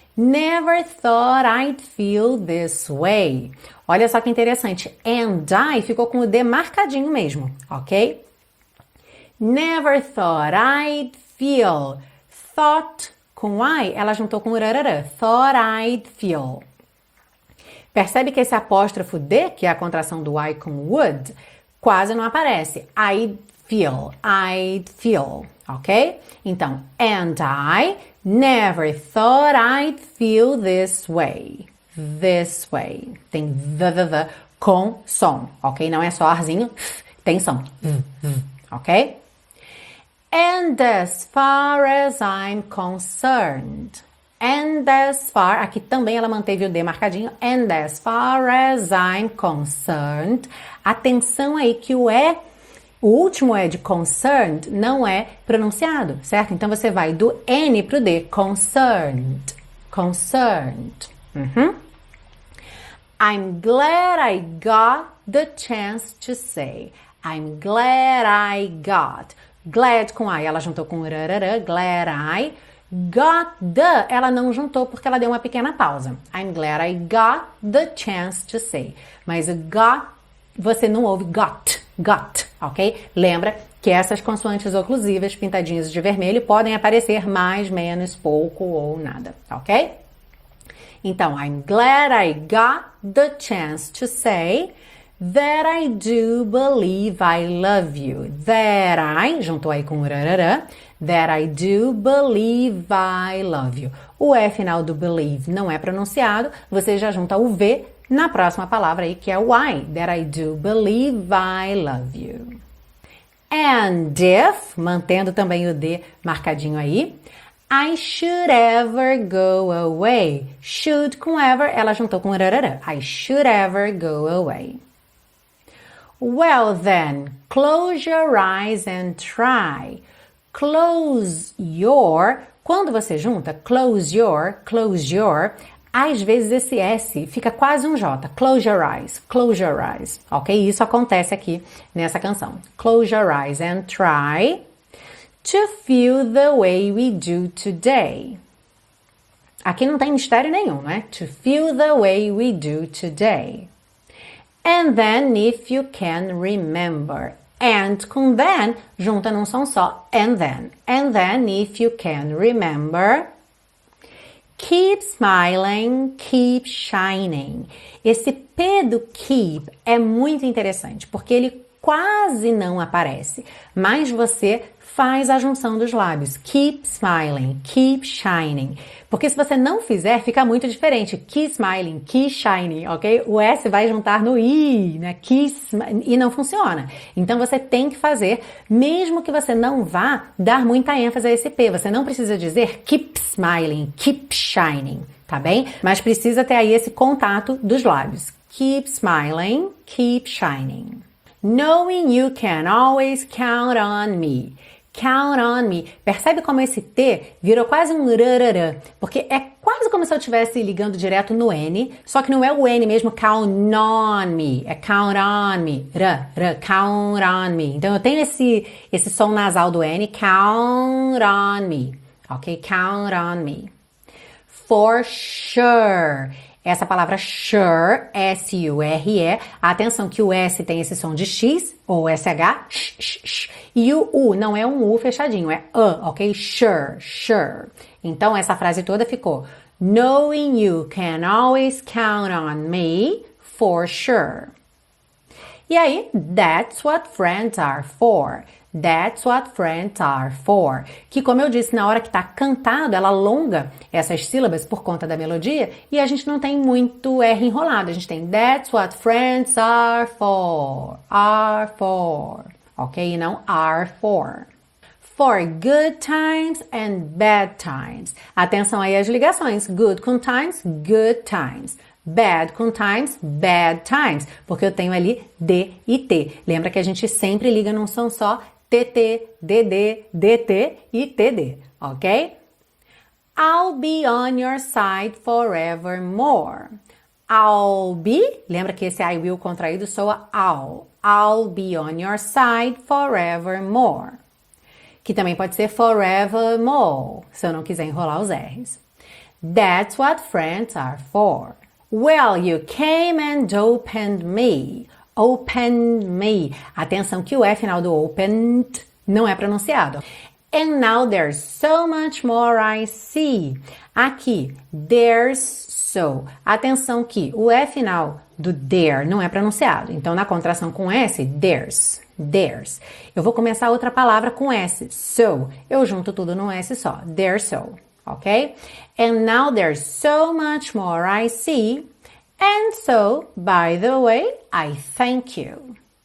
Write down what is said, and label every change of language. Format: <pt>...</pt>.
<en>Never thought I'd feel this way.</en> <pt>Olha só que interessante.</pt> <en>And I</en> <pt>ficou com o D marcadinho mesmo, ok?</pt> <en>Never thought I'd feel. Thought</en> <pt>com I, ela juntou com o rarara.</pt> <en>Thought I'd feel.</en> <pt>Percebe que esse apóstrofo D, que é a contração do I com would, quase não aparece.</pt> <en>I'd feel, ok? Então, and I. Never thought I'd feel this way. This way.</en> <pt>Tem v-v-v com som, ok? Não é só arzinho, tem som. Ok?</pt> <en>And as far as I'm concerned. And as far.</en> <pt>Aqui também ela manteve o D marcadinho.</pt> <en>And as far as I'm concerned.</en> <pt>Atenção aí que o E. O último é de concerned, não é pronunciado, certo? Então você vai do N para o D.</pt> <en>Concerned. Concerned. I'm glad I got the chance to say. I'm glad I got.</en> <pt>Glad com I, ela juntou com rarara.</pt> <en>Glad I. Got the,</en> <pt>ela não juntou porque ela deu uma pequena pausa.</pt> <en>I'm glad I got the chance to say.</en> <pt>Mas o got, você não ouve got. Got, ok? Lembra que essas consoantes oclusivas pintadinhas de vermelho podem aparecer mais, menos, pouco ou nada, ok?</pt> <en>Então, I'm glad I got the chance to say that I do believe I love you. That I,</en> <pt>juntou aí com o rarara,</pt> <en>that I do believe I love you.</en> <pt>O E final do believe não é pronunciado, você já junta o V. Na próxima palavra aí, que é o I,</pt> <en>that I do believe I love you. And if,</en> <pt>mantendo também o D marcadinho aí,</pt> <en>I should ever go away.</en> <pt>Should com ever, ela juntou com rarara.</pt> <en>I should ever go away. Well then, close your eyes and try. Close your,</en> <pt>quando você junta, close your, às vezes esse S fica quase um J.</pt> <en>Close your eyes,</en> <pt>ok? Isso acontece aqui nessa canção.</pt> <en>Close your eyes and try to feel the way we do today.</en> <pt>Aqui não tem mistério nenhum, né?</pt> <en>To feel the way we do today. And then if you can remember. And</en> <pt>com</pt> <en>then,</en> <pt>junta num som só.</pt> <en>And then if you can remember. Keep smiling, keep shining.</en> <pt>Esse P do keep é muito interessante, porque ele quase não aparece, mas você faz a junção dos lábios.</pt> <en>Keep smiling, keep shining.</en> <pt>Porque se você não fizer, fica muito diferente.</pt> <en>Keep smiling, keep shining, ok?</en> <pt>O S vai juntar no I, né? Keep e não funciona. Então você tem que fazer, mesmo que você não vá dar muita ênfase a esse P. Você não precisa dizer</pt> <en>keep smiling, keep shining,</en> <pt>tá bem? Mas precisa ter aí esse contato dos lábios.</pt> <en>Keep smiling, keep shining. Knowing you can always count on me. Count on me.</en> <pt>Percebe como esse T virou quase um rarara, porque é quase como se eu estivesse ligando direto no N, só que não é o N mesmo,</pt> <en>count on me. É count on me. Ra, count on me.</en> <pt>Então eu tenho esse som nasal do N,</pt> <en>count on me.</en> <pt>Ok?</pt> <en>Count on me. For sure.</en> <pt>Essa palavra sure, S-U-R-E, atenção que o S tem esse som de X, ou SH, U, não é um U fechadinho, é a, ok?</pt> <en>Sure.</en> <pt>Então, essa frase toda ficou:</pt> <en>Knowing you can always count on me for sure.</en> <pt>E aí,</pt> <en>that's what friends are for. That's what friends are for.</en> <pt>Que, como eu disse, na hora que está cantado, ela alonga essas sílabas por conta da melodia e a gente não tem muito R enrolado. A gente tem</pt> <en>That's what friends are for. Are for.</en> <pt>Ok? E não</pt> <en>are for. For good times and bad times.</en> <pt>Atenção aí às ligações. Good com times, good times. Bad com times, bad times. Porque eu tenho ali D e T. Lembra que a gente sempre liga num som só. TT, DD, DT e TD, ok?</pt> <en>I'll be on your side forevermore. I'll be,</en> <pt>lembra que esse I will contraído soa all.</pt> <en>I'll be on your side forevermore.</en> <pt>Que também pode ser forevermore, se eu não quiser enrolar os R's.</pt> <en>That's what friends are for. Well, you came and opened me. Opened me.</en> <pt>Atenção que o E final do opened não é pronunciado.</pt> <en>And now there's so much more I see.</en> <pt>Aqui, there's so. Atenção que o E final do there não é pronunciado. Então, na contração com S,</pt> <en>there's. There's.</en> <pt>Eu vou começar outra palavra com S, so. Eu junto tudo num S só.</pt> <en>There's so.</en> <pt>Ok?</pt> <en>And now there's so much more I see. And so, by the way, I thank you.</en>